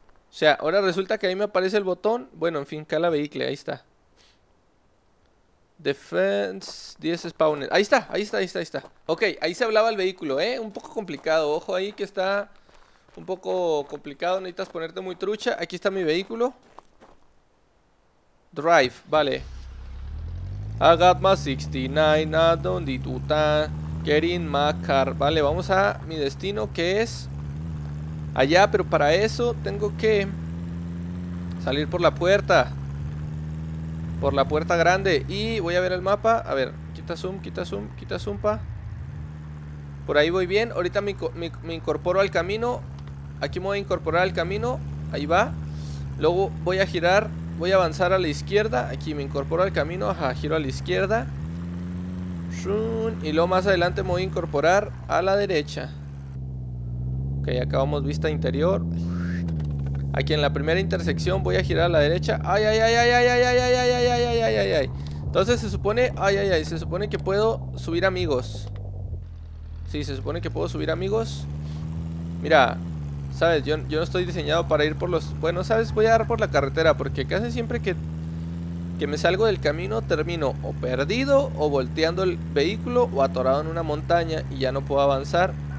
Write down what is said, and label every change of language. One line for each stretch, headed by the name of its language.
Spanish: O sea, ahora resulta que ahí me aparece el botón. Bueno, en fin, cala vehicle, ahí está. Defense 10 spawner. Ahí está. Ok, ahí se hablaba el vehículo, un poco complicado. Ojo ahí que está un poco complicado. Necesitas ponerte muy trucha. Aquí está mi vehículo. Drive, vale.
English: I got my 69, I don't need to tan. Get in my car.
Spanish: Vale, vamos a mi destino, que es allá, pero para eso tengo que salir por la puerta. Por la puerta grande. Y voy a ver el mapa. A ver, quita zoom, pa. Por ahí voy bien. Ahorita me incorporo al camino. Aquí me voy a incorporar al camino. Ahí va. Luego voy a girar. Voy a avanzar a la izquierda. Aquí me incorporo al camino. Ajá, giro a la izquierda. Y luego más adelante me voy a incorporar a la derecha. Ok, acabamos vista interior. Aquí en la primera intersección voy a girar a la derecha. Ay, ay, ay, ay, ay, ay, ay, ay, ay, ay, ay, ay, ay, ay, ay. Entonces se supone... ay, ay, ay. Se supone que puedo subir amigos. Sí, se supone que puedo subir amigos. Mira... ¿sabes? Yo no estoy diseñado para ir por los... bueno, ¿sabes? Voy a dar por la carretera. Porque casi siempre que me salgo del camino, termino o perdido, o volteando el vehículo, o atorado en una montaña y ya no puedo avanzar.